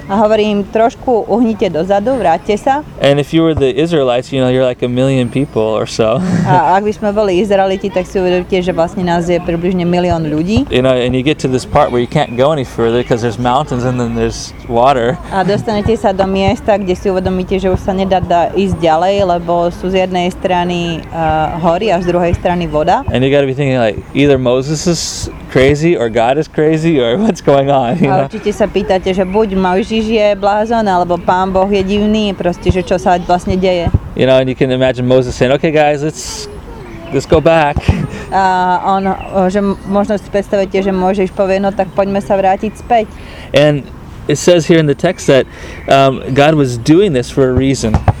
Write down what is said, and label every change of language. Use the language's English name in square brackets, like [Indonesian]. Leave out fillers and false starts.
[Slovak] A hovorí im, trošku uhnite dozadu, vráťte sa. [English] And if you were the Israelites, you know, you're like a million people or so. [Slovak] A ak by sme boli Izraeliti, tak si uvedomte, že vlastne nás je približne milión ľudí. [English] You know, and you get to this part where you can't go any further because there's mountains and then there's water. [Slovak] A dostanete sa do miesta, kde si uvedomíte, že už sa nedá ísť ďalej, lebo sú z jednej strany hory a z druhej strany voda. [English] And you gotta be thinking like, either Moses is crazy or God is crazy or what's going on. [Slovak] A určite sa pýtate, že buď Mojžiš je blázon alebo Pán Boh je divný, proste že čo sa vlastne deje. [English] You know, and you can imagine Moses saying, okay guys, let's go back. [Slovak] A on, že možno si predstavíte, že Mojžiš povie, no tak poďme sa vrátiť späť. [English] And it says here in the text that God was doing this for a reason.